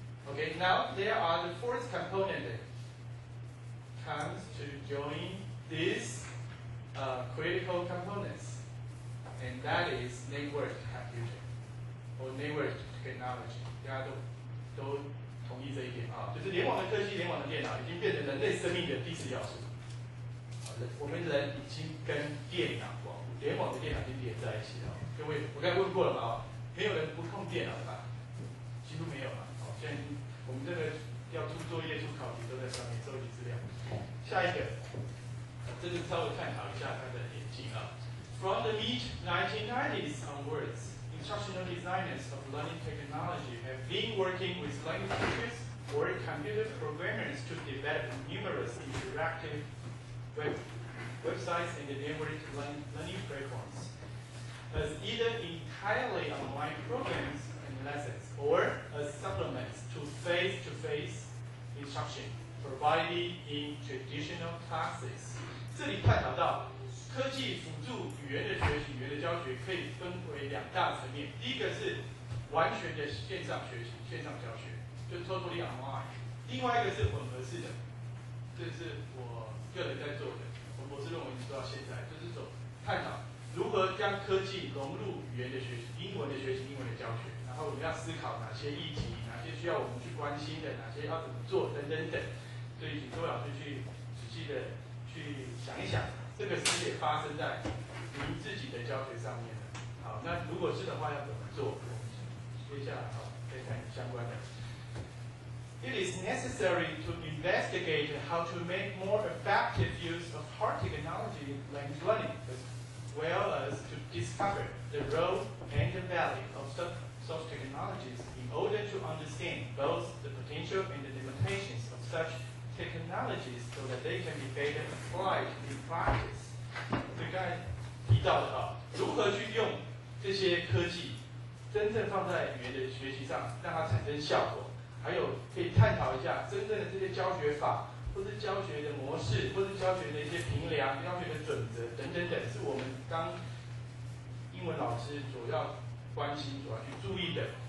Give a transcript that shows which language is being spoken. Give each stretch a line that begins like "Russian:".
English: Okay, now there are the fourth component comes to join these critical components. And that is network computing or network technology.
Chinese: 大家都同意这一点啊，就是联网的科技、联网的电脑已经变成人类生命的第四要素。我们人已经跟电脑、网络、联网的电脑已经连在一起了。各位，我刚才问过了嘛？没有人不碰电脑的吧？几乎没有嘛。好，现在我们这个要出作业、出考题都在上面收集资料。下一个，这是稍微探讨一下它的演进啊。
English: From the mid-1990s onwards, instructional designers of learning technology have been working with language teachers or computer programmers to develop numerous interactive websites and networked learning platforms as either entirely online programs and lessons or as supplements to face-to-face instruction provided in traditional classes.
Chinese: 这里探讨到科技辅助语言的学习、语言的教学可以分为两大层面。第一个是完全的线上学习、线上教学，就
English: totally online。
Chinese: 另外一个是混合式的，这是我个人在做的，我博士论文做到现在，就是探讨如何将科技融入语言的学习、英文的学习、英文的教学，那然后我们要思考哪些议题，哪些需要我们去关心的，哪些要怎么做等等等。所以请各位老师去仔细的去想一想，这个事也发生在您自己的教学上面的。好，那如果是的话要怎么做？接下来好，再看相关的。
English: It is necessary to investigate how to make more effective use of hard technology in language learning, as well as to discover the role and the value of such technologies in order to understand both the potential and the limitations of such technologies so that they can be better applied in practice.
Chinese: 所以刚才提到的啊，如何去用这些科技真正放在语言的学习上，让它产生效果。还有可以探讨一下真正的这些教学法，或是教学的模式，或是教学的一些评量、教学的准则等等等，是我们当英文老师所要关心、所要去注意的。